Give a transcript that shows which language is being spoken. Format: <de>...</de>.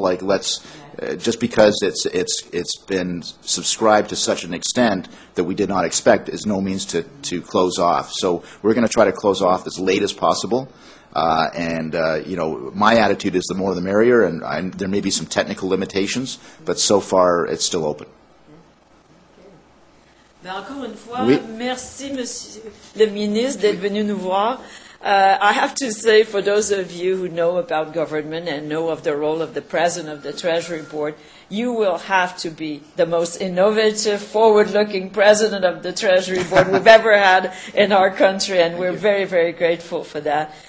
<en>Like, let's just because it's been subscribed to such an extent that we did not expect is no means to close off. So we're going to try to close off as late as possible. My attitude is the more the merrier, and there may be some technical limitations, but so far it's still open.</en> <fr>Mais encore une fois, oui. Merci, Monsieur le Ministre, d'être venu nous voir.</fr> <en>I have to say, for those of you who know about government and know of the role of the President of the Treasury Board, you will have to be the most innovative, forward-looking President of the Treasury Board we've ever had in our country, and we're very, very grateful for that.</en>